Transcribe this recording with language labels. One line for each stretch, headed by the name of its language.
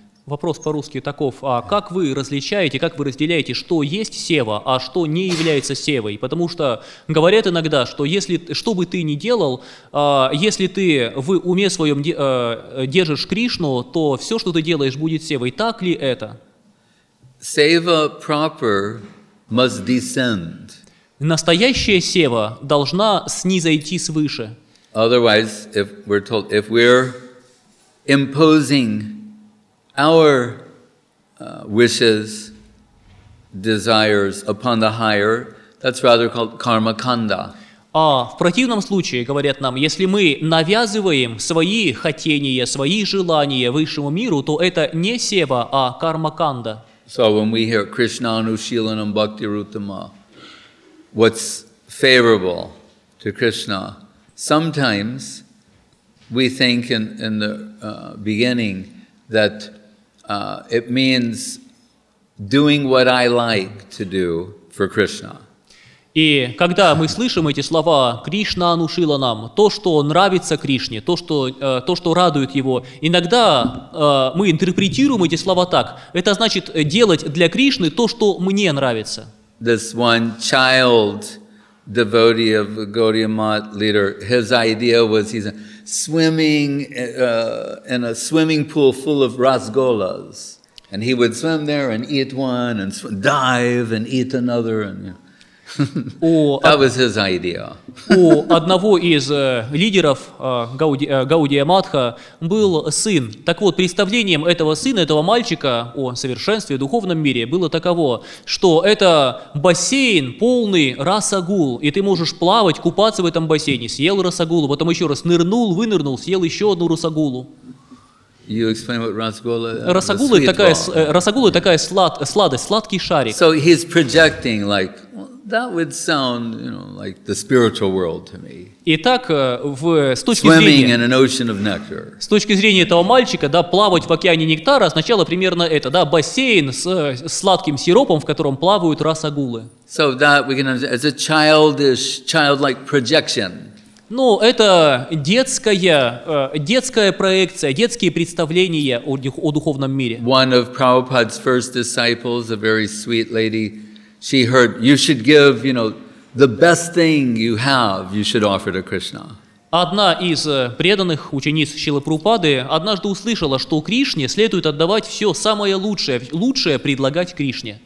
Russian: Вопрос по-русски таков, а как вы различаете, как вы разделяете, что есть сева, а что не является севой? Потому что говорят иногда, что если, что бы ты ни делал, если ты в уме своем держишь Кришну, то все, что ты делаешь, будет севой. Так ли это?
English: Сева proper must descend.
Russian: Настоящая сева должна снизойти свыше.
English: Otherwise, if we're told, if we're imposing our wishes, desires upon the higher, that's rather called karma kanda.
Russian: А в противном случае, говорят нам, если мы навязываем свои хотения, свои желания высшему миру, то это не сева, а карма канда.
English: So when we hear Krishna anushilanam bhakti rutama, what's favorable to Krishna, sometimes we think in the beginning that it means doing what I like to do for Krishna.
Russian: И когда мы слышим эти слова, Кришна внушила нам то, что нравится Кришне, то, что радует его. Иногда мы интерпретируем эти слова так. Это значит делать для Кришны то, что мне нравится.
English: This one child devotee of Gaudiya Math leader, his idea was he's swimming in a swimming pool full of rasgolas, and he would swim there and eat one and dive and eat another, and you know. That was his idea.
Russian: У одного из лидеров Гаудия Матха был сын. Так вот, представлением этого сына, этого мальчика о совершенстве, духовном мире было таково, что это бассейн полный расагул, и ты можешь плавать, купаться в этом бассейне, съел расагулу, потом еще раз нырнул, вынырнул, съел еще одну расагулу.
English: You explain what rasgola is.
Russian: Расагула такая сладость, сладкий шарик.
English: So he's projecting like... That would sound, you know, like the spiritual world to me.
Russian: Итак,
English: swimming in an ocean of nectar.
Russian: С точки зрения этого мальчика, да, плавать в океане нектара означало примерно это, да, бассейн с сладким сиропом, в котором плавают расагулы.
English: So that we can understand as a childlike projection.
Russian: Ну, это детская, детская проекция, детские представления о духовном мире.
English: One of Prabhupada's first disciples, a very sweet lady, she heard, you should give, you know, the best thing you have, you should offer to Krishna.
Russian: Одна из преданных учениц Шрилы Прабхупады однажды услышала, что Кришне следует отдавать все самое лучшее, лучшее предлагать Кришне.